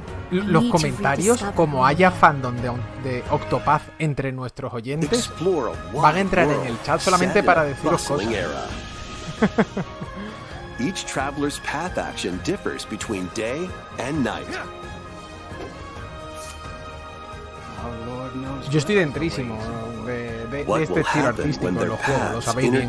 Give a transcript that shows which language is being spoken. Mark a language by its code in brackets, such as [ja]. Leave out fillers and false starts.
[es] Los comentarios, como haya fandom de Octopath entre nuestros oyentes, van a entrar en el chat solamente para deciros cosas. [en] Each traveler's path action differs between day and night. [es] Yo estoy dentrísimo de este estilo artístico de los juegos, lo sabéis bien.